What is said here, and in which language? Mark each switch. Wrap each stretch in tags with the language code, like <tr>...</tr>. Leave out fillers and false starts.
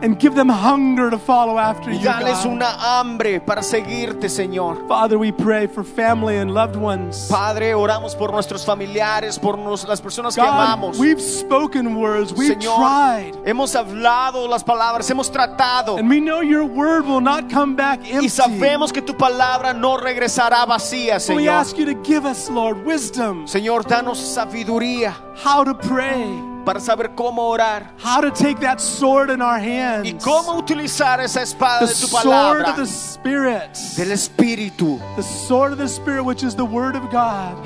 <en>And give them hunger to follow after you, God.</en> <es>Y dales una hambre para seguirte, Señor.</es> <en>Father, we pray for family and loved ones.</en> <es>Padre, oramos por nuestros familiares, por las personas que amamos.</es> <en>God, we've spoken words, we've</en> <es>Señor,</es> <en>tried.</en> <es>Hemos hablado las palabras, hemos tratado.</es> <en>And we know your word will not come back empty.</en> <es>Y sabemos que tu palabra no regresará vacía, Señor.</es> <en>We ask you to give us, Lord, wisdom.</en> <es>Señor, danos sabiduría.</es> <en>How to pray.</en> <es>Para saber cómo orar.</es> <en>How to take that sword in our hands.</en> <es>Y cómo utilizar esa espada</es> <en>the</en> <es>de tu palabra.</es> <en>The sword of the Spirit.</en> <es>Del Espíritu.</es> <en>The sword of the Spirit, which is the Word of God.</en>